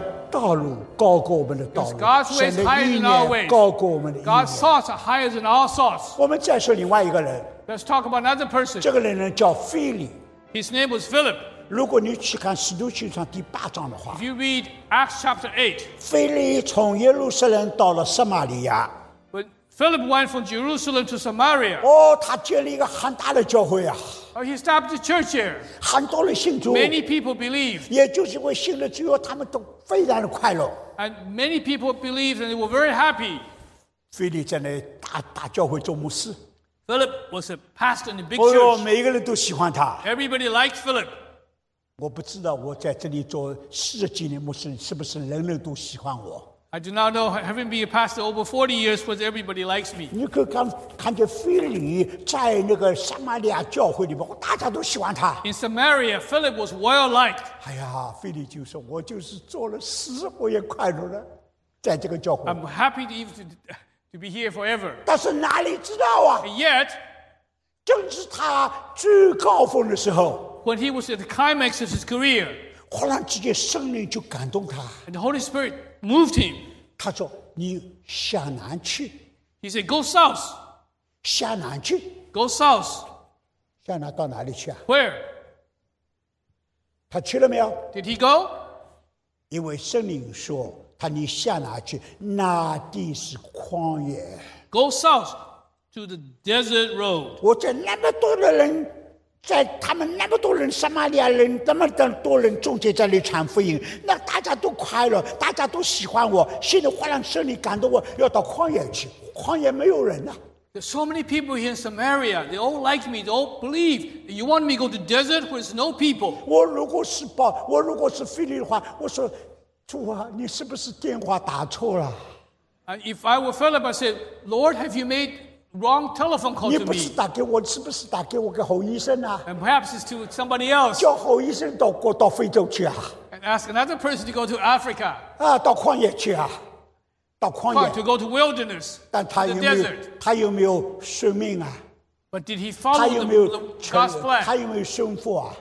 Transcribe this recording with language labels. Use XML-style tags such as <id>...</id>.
<en>Because God's ways higher than our ways. God's thoughts are higher than our thoughts.</en> <zh>我们再说另外一个人。</zh> <en>Let's talk about another person.</en> <zh>这个人呢叫腓力。</zh> <en>His name was Philip.</en> <zh>如果你去看使徒行传第八章的话。</zh> <en>If you read Acts chapter 8.</en> <zh>腓力从耶路撒冷到了撒玛利亚。</zh> <en>But Philip went from Jerusalem to Samaria.</en> <zh>哦，他建立一个很大的教会啊。</zh> <en>He stopped the church here.</en> <zh>很多人信主。</zh> <en>Many people believe.</en> <zh>也就是因为信了之后，他们都非常的快乐。</zh> <en>And many people believed and they were very happy.</en> <zh>腓力在那大教会做牧师。</zh> <en>Philip was a pastor in the big church.</en> <zh>每一个人都喜欢他。</zh> <en>Everybody liked Philip.</en> <zh>我不知道我在这里做四十几年牧师，是不是人人都喜欢我。</zh> <en>I do not know, having been a pastor over 40 years, whether everybody likes me.</en> <zh>你可看看见腓力在那个撒玛利亚教会里面，大家都喜欢他。</zh> <en>In Samaria, Philip was well liked.</en> <zh>哎呀，腓力就说：“我就是做了诗，我也快乐了，在这个教会。”</zh> <en>I'm happy to be here forever.</en> <zh>但是哪里知道啊</zh> <en>？And yet,</en> <zh>正是他最高峰的时候</zh> <en>，when he was at the climax of his career,</en> <zh>忽然之间圣灵就感动他</zh> <en>，and the Holy Spirit. Moved him.</en> <zh>他说你向南去。</zh> <en>He said, go south.</en> <zh>向南去。</zh> <en>Go south.</en> <zh>向南到哪里去啊</zh> <en>?Where?</en> <zh>他去了没有</zh> <en>?Did he go?</en> <zh>因为圣灵说他你向南去那地是旷野。</zh> <en>Go south to the desert road.</en> <zh>我在那么多的人在他们那么多人撒玛利亚人那么多人中间在那传福音那大家都快乐大家都喜欢我心里忽然圣灵感动我要到旷野去旷野没有人啊</zh> <en>There's so many people here in Samaria they all like me they all believe you want me to go to the desert where there's no people</en> <zh>我如果是腓力的话我说主啊你是不是电话打错了</zh> <en>And if I were Philip I said Lord have you madeWrong telephone call to me.</en> <zh>你不是打给我，是不是打给我给侯医生啊</zh> <en>？And perhaps it's to somebody else.</en> <zh>叫侯医生到非洲去啊</zh> <en>？And ask another person to go to Africa.</en> <zh>啊，到旷野去啊，到旷野。</zh> <en>To go to wilderness.</en> <zh>但他有没有？</zh> <en>Desert.</en> <zh>他有没有顺命啊</zh> <en>？But did he follow the God's plan?</en> <zh>他有没有顺服啊</zh>